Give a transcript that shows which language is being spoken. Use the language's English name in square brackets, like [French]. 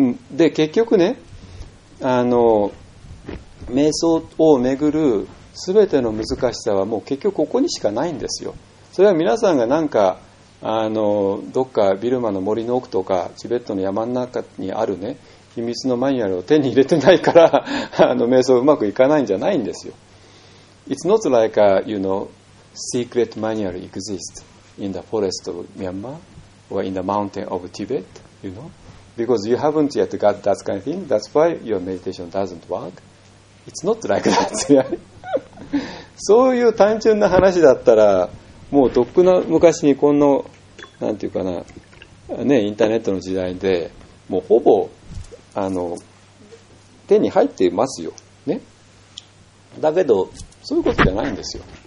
[Japanese] で、結局ね、瞑想をめぐる全ての難しさはもう結局ここにしかないんですよ。それは皆さんがなんかどっかビルマの森の奥とかチベットの山の中にあるね秘密のマニュアルを手に入れてないから瞑想うまくいかないんじゃないんですよ。 [English] It's not like a, you know, secret manual exists in the forest of Myanmar or in the mountain of Tibet, you know, because you haven't yet got that kind of thing, that's why your meditation doesn't work. It's not like that, really. [Japanese] そういう単純な話だったらもうとっくの昔にこのなんていうかな、ね、インターネットの時代でもうほぼ手に入っていますよ、ね、だけどそういうことじゃないんですよ。